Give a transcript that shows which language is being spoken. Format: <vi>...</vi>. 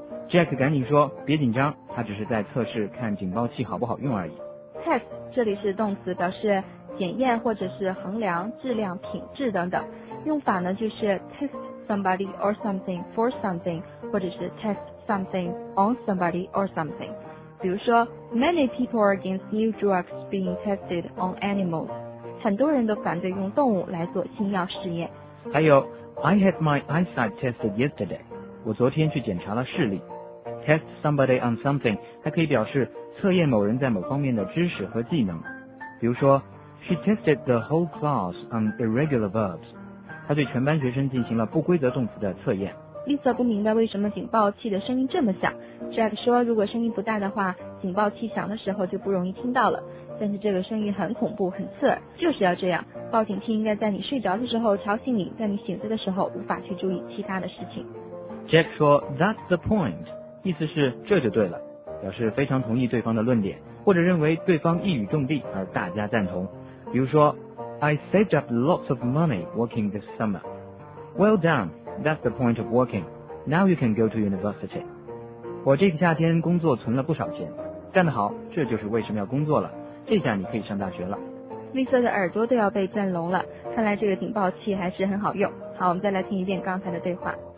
<zh>Jack 赶紧说别紧张，他只是在测试看警报器好不好用而已。 Test 这里是动词，表示检验或者是衡量质量品质等等，用法呢就是</zh> <en>test somebody or something for something</en> <zh>或者是</zh> <en>test something on somebody or something。</en> <zh>比如说</zh> <en>many people are against new drugs being tested on animals，</en> <zh>很多人都反对用动物来做新药试验。还有</zh> <en>I had my eyesight tested yesterday，</en> <zh>我昨天去检查了视力。</zh> <en>Test somebody on something</en> <zh>还可以表示测验某人在某方面的知识和技能。比如说</zh> <en>She tested the whole class on irregular verbs，</en> <zh>她对全班学生进行了不规则动词的测验。 Lisa 不明白为什么警报器的声音这么响， Jack 说如果声音不大的话，警报器响的时候就不容易听到了，但是这个声音很恐怖很刺耳，就是要这样，报警器应该在你睡着的时候吵醒你，在你醒着的时候无法去注意其他的事情。 Jack 说</zh> <en>That's the point，</en> <zh>意思是这就对了，表示非常同意对方的论点，或者认为对方一语中的而大家赞同。比如说</zh> <en>I saved up lots of money working this summer. Well done, that's the point of working. Now you can go to university.</en> <zh>我这个夏天工作存了不少钱，干得好，这就是为什么要工作了，这下你可以上大学了。 Lisa 的耳朵都要被震聋了，看来这个警报器还是很好用。好，我们再来听一遍刚才的对话。</zh>